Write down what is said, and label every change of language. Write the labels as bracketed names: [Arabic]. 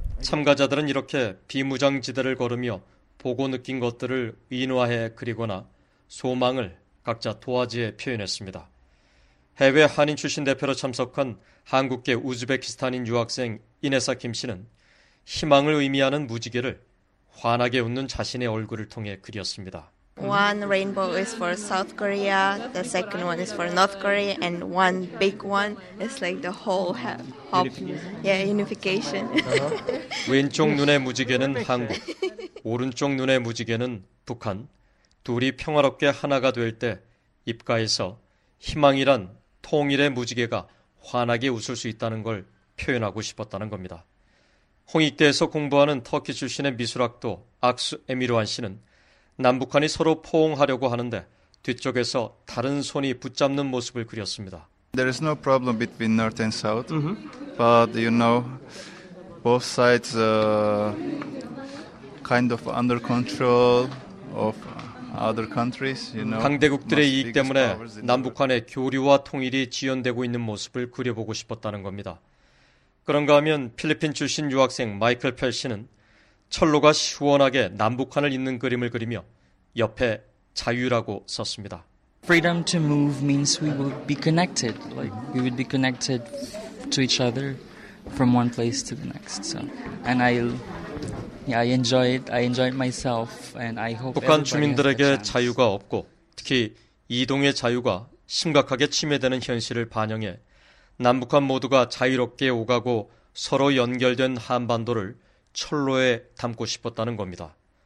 [Korean] 참가자들은 이렇게 비무장지대를 걸으며 보고 느낀 것들을 인화해 그리거나 소망을 각자 도화지에 표현했습니다. 해외 한인 출신 대표로 참석한 한국계 우즈베키스탄인 유학생 이네사 김 씨는 희망을 의미하는 무지개를 환하게 웃는 자신의 얼굴을 통해 그렸습니다. [English] One rainbow is for South Korea, the second one is for North Korea, and one big one is like the whole hope. Yeah, unification. [Korean] 왼쪽 눈의 무지개는 한국, 오른쪽 눈의 무지개는 북한. 둘이 평화롭게 하나가 될 때 입가에서 희망이란 통일의 무지개가 환하게 웃을 수 있다는 걸 표현하고 싶었다는 겁니다. 홍익대에서 공부하는 터키 출신의 미술학도 악수 에미로안 씨는 남북한이 서로 포옹하려고 하는데 뒤쪽에서 다른 손이 붙잡는 모습을 그렸습니다. [English] There is no problem between North and South, but you know, both sides kind of under control of other countries. You know, [Korean] 강대국들의 이익 때문에 남북한의 교류와 통일이 지연되고 있는 모습을 그려보고 싶었다는 겁니다. 그런가 하면 필리핀 출신 유학생 마이클 펠 씨는 철로가 시원하게 남북한을 잇는 그림을 그리며 옆에 자유라고 썼습니다. [English] Freedom to move means we would be connected. Like we would be connected to each other from one place to the next. So, and I enjoy it. I enjoy it myself. And I hope. [Korean] 북한 주민들에게 자유가 없고 특히 이동의 자유가 심각하게 침해되는 현실을 반영해 남북한 모두가 자유롭게 오가고 서로 연결된 한반도를 철로에 담고 싶었다는 겁니다.